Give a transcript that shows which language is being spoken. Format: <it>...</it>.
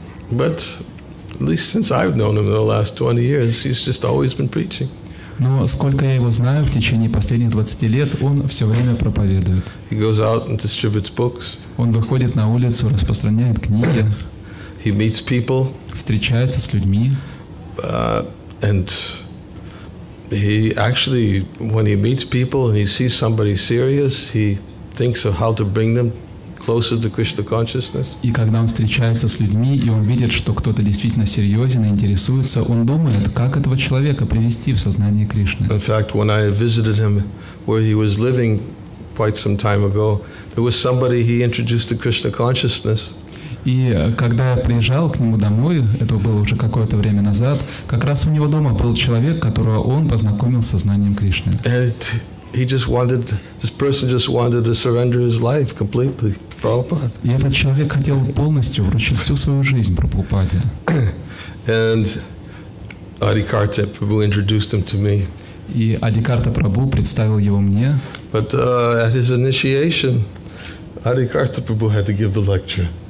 <en>But at least since I've known him in the last 20 years, he's just always been preaching.</en> <ru>Но сколько я его знаю, в течение последних 20 лет он все время проповедует.</ru> <en>He goes out and distributes books.</en> <ru>Он выходит на улицу, распространяет книги.</ru> <en>He meets people.</en> <ru>Встречается с людьми.</ru> <en>And he actually, when he meets people and he sees somebody serious, he thinks of how to bring them closer to Krishna consciousness.</en> <ru>И когда он встречается с людьми и он видит, что кто-то действительно серьезен и интересуется, он думает, как этого человека привести в сознание Кришны.</ru> <en>In fact, when I visited him where he was living quite some time ago, there was somebody he introduced to Krishna consciousness.</en> <ru>И когда я приезжал к нему домой, это было уже какое-то время назад, как раз у него дома был человек, которого он познакомил с сознанием Кришны.</ru> <en>This person just wanted to surrender his life completely to Prabhupada.</en> <ru>И этот человек хотел полностью вручить всю свою жизнь Прабхупаде.</ru> <en>And Adikarta Prabhu introduced him to me.</en> <ru>И Адикарта Прабху представил его мне.</ru> <en>But at his initiation, Adikarta Prabhu had to give the lecture.</en>